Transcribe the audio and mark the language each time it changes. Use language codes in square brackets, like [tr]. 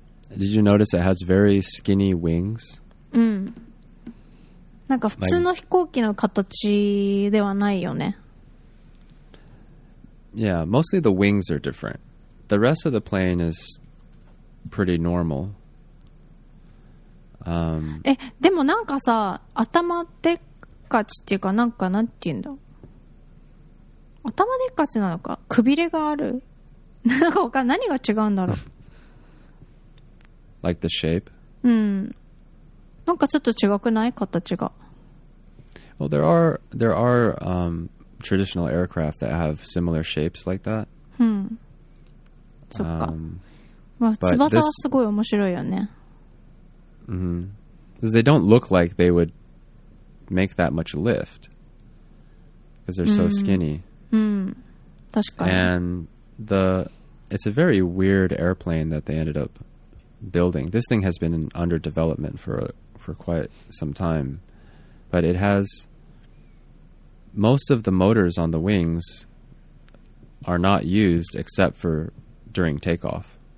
[en] Did you notice it has very skinny wings? [ja] なんか普通の飛行機の形ではないよね。 [en] Yeah, mostly the wings are different. The rest of the plane is pretty normal. [ja] でもなんかさ、頭でっかちっていうか、なんかなんていうんだ、頭でっかちなのか、くびれがある、なんか他何が違うんだろう。 [en] Like the shape? [ja] うん、なんかちょっと違くない、形が。 [en] Well, there are、traditional aircraft that have similar shapes like that. [ja] うん、そっか、まあ、翼はすごい面白いよね。 [en] Because they don't look like they would make that much lift because they're so skinny. [ja] うん、確かに。 [en] And the, it's a very weird airplane that they ended up building. This thing has been under development for quite some time, but it has most of the motors on the wings are not used except for during takeoff.